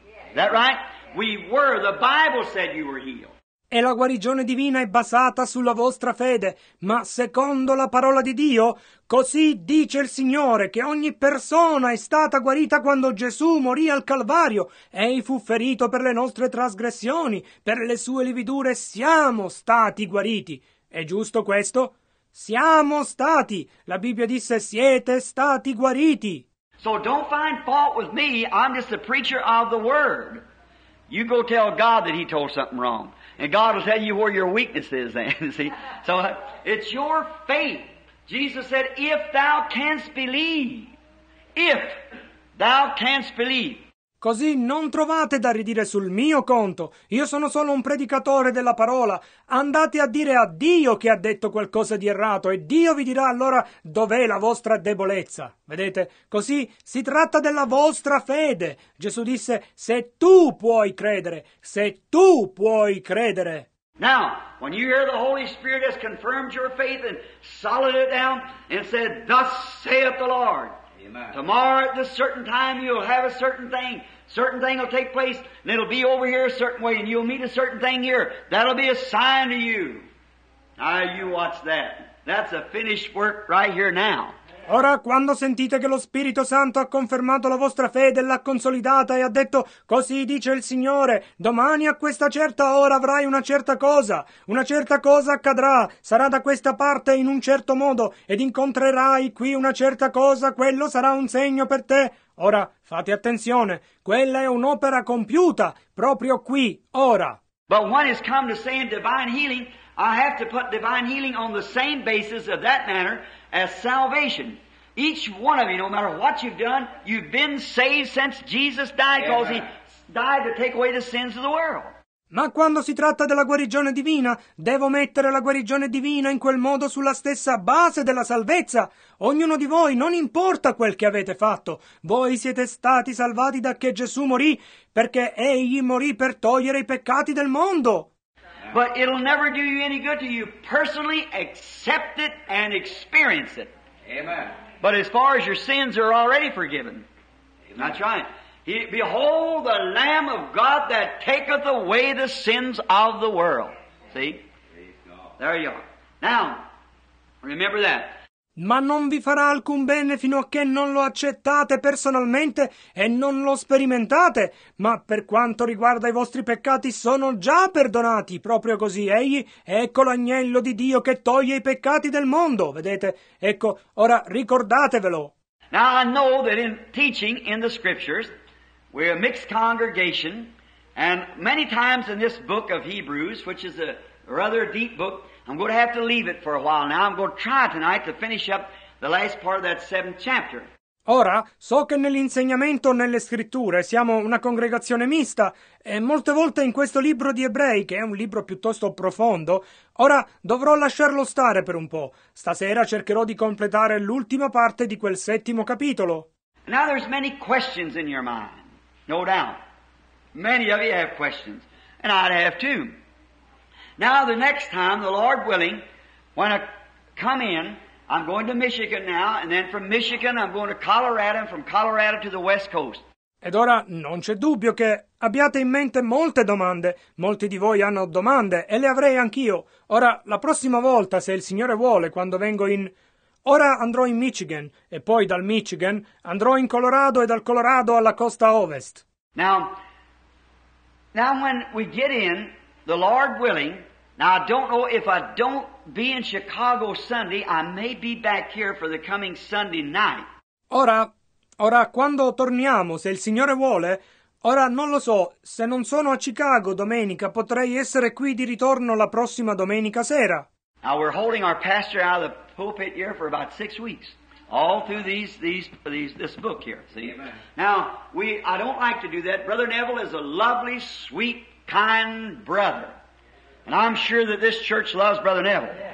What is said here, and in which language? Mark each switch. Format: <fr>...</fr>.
<en>Yes. Is that right? We were. The Bible said you were healed.</en> <it>E la guarigione divina è basata sulla vostra fede, ma secondo la parola di Dio, così dice il Signore, che ogni persona è stata guarita quando Gesù morì al Calvario, egli fu ferito per le nostre trasgressioni, per le sue lividure siamo stati guariti. È giusto questo? Siamo stati! La Bibbia disse, siete stati guariti!</it> <en>So don't find fault with me, I'm just the preacher of the word. You go tell God that he told something wrong. And God will tell you where your weakness is then, see? So it's your faith. Jesus said, if thou canst believe, if thou canst believe.</en> <it>Così non trovate da ridire sul mio conto. Io sono solo un predicatore della parola. Andate a dire a Dio che ha detto qualcosa di errato e Dio vi dirà allora dov'è la vostra debolezza. Vedete? Così si tratta della vostra fede. Gesù disse, se tu puoi credere, se tu puoi credere.</it> <en>Now, when you hear the Holy Spirit has confirmed your faith and solid it down and said, thus saith the Lord. Amen. Tomorrow at this certain time you'll have a certain thing will take place, and it'll be over here a certain way, and you'll meet a certain thing here. That'll be a sign to you. Now you watch that. That's a finished work right here now.</en> <it>Ora, quando sentite che lo Spirito Santo ha confermato la vostra fede, l'ha consolidata e ha detto, così dice il Signore, domani a questa certa ora avrai una certa cosa accadrà, sarà da questa parte in un certo modo, ed incontrerai qui una certa cosa, quello sarà un segno per te. Ora, fate attenzione, quella è un'opera compiuta, proprio qui, ora.</it> <en>But when it's come to saying divine healing, I have to put divine healing on the same basis of that manner, as salvation. Each one of you, no matter what you've done, you've been saved since Jesus died, because he died to take away the sins of the world.</en> <it>Ma quando si tratta della guarigione divina, devo mettere la guarigione divina in quel modo sulla stessa base della salvezza. Ognuno di voi, non importa quel che avete fatto, voi siete stati salvati da che Gesù morì, perché egli morì per togliere i peccati del mondo.</it> <en>But it'll never do you any good till you personally accept it and experience it. Amen. But as far as your sins are already forgiven. Amen. That's right. Behold the Lamb of God that taketh away the sins of the world. See? There you are. Now, remember that.</en> <it>Ma non vi farà alcun bene fino a che non lo accettate personalmente e non lo sperimentate. Ma per quanto riguarda i vostri peccati, sono già perdonati, proprio così. Egli, ecco l'agnello di Dio che toglie i peccati del mondo, vedete? Ecco, ora ricordatevelo.</it> <en>Now I know that in teaching in the scriptures, we're a mixed congregation, and many times in this book of Hebrews, which is a rather deep book, I'm going to have to leave it for a while now. I'm going to try tonight to finish up the last part of that seventh chapter.</en> <it>Ora, so che nell'insegnamento nelle scritture siamo una congregazione mista, e molte volte in questo libro di Ebrei, che è un libro piuttosto profondo, ora dovrò lasciarlo stare per un po'. Stasera cercherò di completare l'ultima parte di quel settimo capitolo.</it> <en>Now there's many questions in your mind, no doubt. Many of you have questions, and I have too. Now the next time, the Lord willing, when I come in, I'm going to Michigan now, and then from Michigan I'm going to Colorado, and from Colorado to the West Coast.</en> <it>Ed ora non c'è dubbio che abbiate in mente molte domande. Molti di voi hanno domande, e le avrei anch'io. Ora, la prossima volta, se il Signore vuole, quando vengo in Ora andrò in Michigan, e poi dal Michigan andrò in Colorado e dal Colorado alla costa ovest.</it> <en>Now when we get in, the Lord willing, now I don't know if I don't be in Chicago Sunday, I may be back here for the coming Sunday night.</en> <it>Ora quando torniamo, se il Signore vuole, ora non lo so, se non sono a Chicago domenica, potrei essere qui di ritorno la prossima domenica sera.</it> <en>Now we're holding our pastor out of the pulpit here for about 6 weeks, all through this book here. See? Amen. Now I don't like to do that. Brother Neville is a lovely, sweet, kind brother, and I'm sure that this church loves Brother Neville.</en>